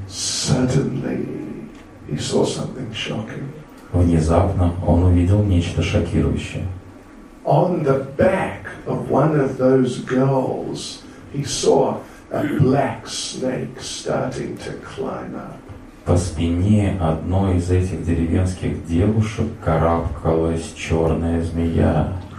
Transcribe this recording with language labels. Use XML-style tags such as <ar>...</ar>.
<en>Suddenly he saw something shocking.</en> <ru>Внезапно он увидел нечто шокирующее.</ru> <en>On the back of one of those girls, he saw a black snake starting to climb up.</en> <ru>По спине одной из этих деревенских девушек карабкалась черная змея.</ru>